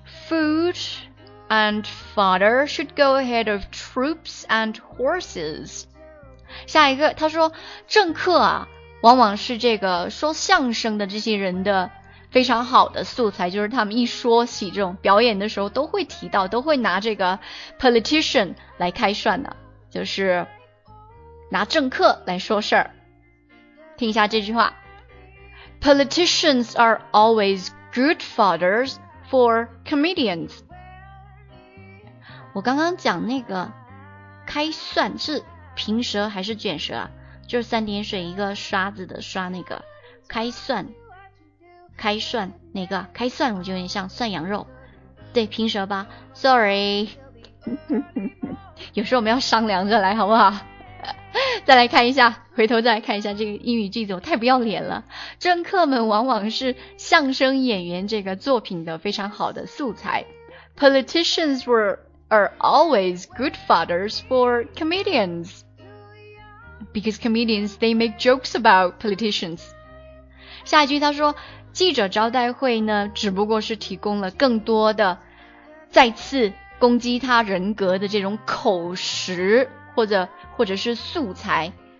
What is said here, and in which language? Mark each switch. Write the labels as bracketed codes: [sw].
[en] Food and fodder should go ahead of troops and horses。 [zh] 下一个，他说政客啊，往往是这个说相声的这些人的非常好的素材，就是他们一说起这种表演的时候，都会提到，都会拿这个 politician 来开涮的，就是拿政客来说事儿。听一下这句话： [en] Politicians are always good fodder for comedians。 [zh] 我刚刚讲那个开涮是平舌还是卷舌啊？就是三点水一个刷子的刷那个开涮。开涮哪个？开涮我就有点像涮羊肉，对，平舌吧。 Sorry，有时候我们要商量着来，好不好？再来看一下，回头再来看一下这个英语句子，我太不要脸了。政客们往往是相声演员这个作品的非常好的素材。 [en] Politicians are always good fodders for comedians because comedians they make jokes about politicians。 [zh] 下一句他说。记者招待会呢，只不过是提供了更多的再次攻击他人格的这种口实，或者是素材。